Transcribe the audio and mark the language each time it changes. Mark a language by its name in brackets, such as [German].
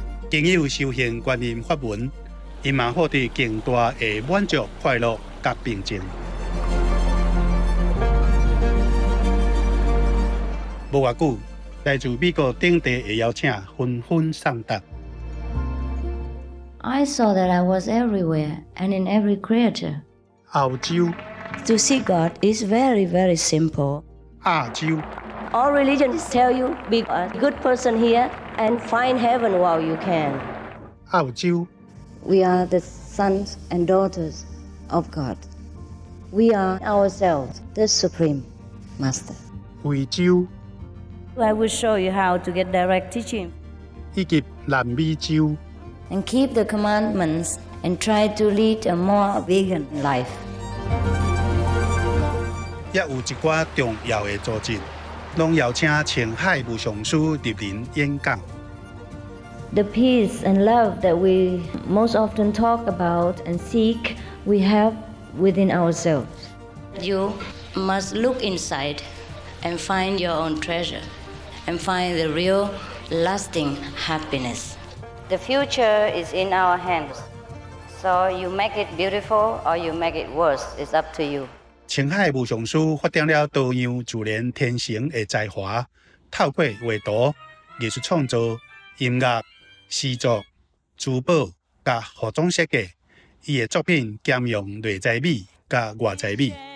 [Min Nan Chinese] 因有修行观音法门，伊嘛获得更大的满足、快乐甲平静。无外久，来自美国等地的邀请纷纷上达。 [English] I saw that I was everywhere and in every creature. [Min Nan Chinese] 亚洲 [English] To see God is very, very simple. [Min Nan Chinese] 亚洲 [English] All religions tell you be a good person here and find heaven while you can. 亚洲 We are the sons and daughters of God. We are ourselves the Supreme Master. [Min Nan Chinese] 非洲 [English] I will show you how to get direct teaching. [Min Nan Chinese] 以及南美洲 [English] And keep the commandments and try to lead a more vegan life. [Min Nan Chinese] 也有一挂重要的组织，拢邀请青海无上师莅临演讲。 [English] The peace and love that we most often talk about and seek, we have within ourselves. You must look inside and find your own treasure, and find the real, lasting happiness. The future is in our hands. So you make it beautiful or you make it worse, it's up to you. [Min Nan Chinese] 青海无上师发展了多样自然天成的才华，透过画图、艺术创作、音乐、诗作、珠宝和服装设计，伊的作品兼容内在美和外在美。